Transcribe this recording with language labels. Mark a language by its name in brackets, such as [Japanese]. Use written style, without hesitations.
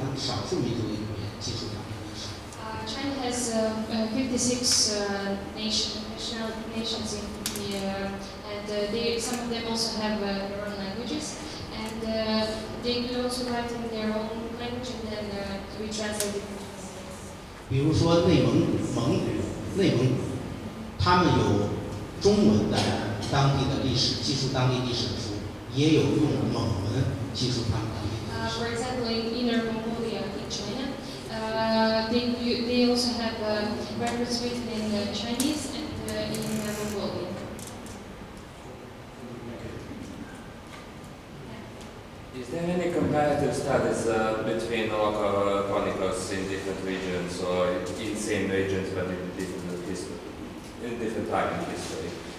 [English] China has 56 nations in the, and they, some of them also have their own languages, and they could also write in their own language and then to be translated. [Chinese] 比如说内蒙古，他们有中文的当地的历史，记述当地历史的书，也有用蒙文记述他们当地的历史。 [English] For example, in Inner Mongolia, in China, they also have records written in Chinese and in Mongolian. Is there any comparative studies between local chronicles in different regions or in same regions but in different history, in different time in history?